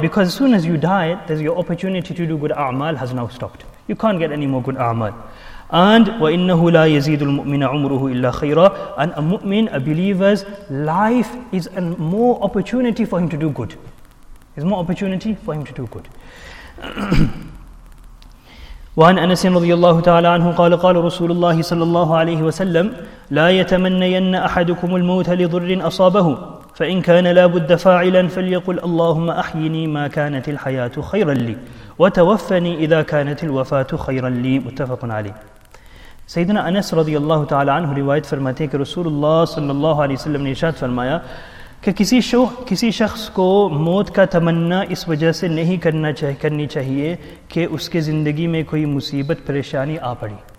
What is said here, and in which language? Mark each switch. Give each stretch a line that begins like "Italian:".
English: Because as soon as you die, there's your opportunity to do good a'mal has now stopped. You can't get any more good a'mal.
Arabic: And وَإِنَّهُ لَا يَزِيدُ الْمُؤْمِنَ عُمْرُهُ إِلَّا خَيْرًا.
English: And a mu'min, a believer's life is a more opportunity for him to do good. There's more opportunity for him to do good.
Arabic: وعن أنس رضي الله تعالى عنه قال قال رسول الله صلى الله عليه وسلم لا يتمنين أحدكم الموت لضر أصابه فإن كان لابد فاعلا فليقل اللهم أحيني ما كانت الحياة خيرا لي وتوفني إذا كانت الوفاة خيرا لي. متفق عليه.
Urdu: سيدنا أنس رضي الله تعالى عنه روايت فرماتے کہ رسول الله صلى الله عليه وسلم نے ارشاد فرمایا کہ کسی شخص کو موت کا تمنا اس وجہ سے نہیں کرنی چاہیے کہ اس کے زندگی میں کوئی مصیبت پریشانی آ پڑی.